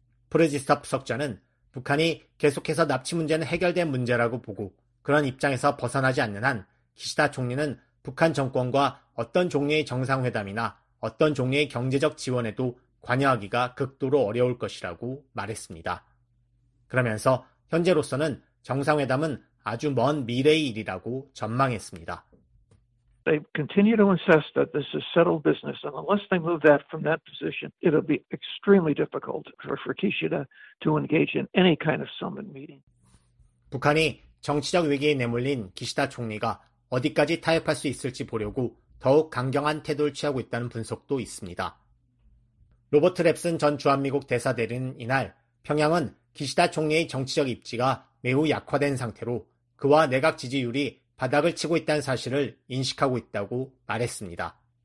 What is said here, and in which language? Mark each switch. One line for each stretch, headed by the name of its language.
Korean: 프레지스터 부석자는 북한이 계속해서 납치 문제는 해결된 문제라고 보고 그런 입장에서 벗어나지 않는 한 기시다 총리는 북한 정권과 어떤 종류의 정상회담이나 어떤 종류의 경제적 지원에도 관여하기가 극도로 어려울 것이라고 말했습니다. 그러면서 현재로서는 정상회담은 아주 먼 미래의 일이라고 전망했습니다.
English: They continue to insist that this is settled business, and unless they move that from that position, it'll be extremely difficult for Kishida to engage in any kind of summit meeting.
Korean: 북한이 정치적 위기에 내몰린 기시다 총리가 어디까지 타협할 수 있을지 보려고 더욱 강경한 태도를 취하고 있다는 분석도 있습니다. 로버트 랩슨 전 주한미국 대사 대리는 이날 평양은 기시다 총리의 정치적 입지가 매우 약화된 상태로 그와 내각 지지율이 바닥을 치고 있다는 사실을 인식하고 있다고 말했습니다.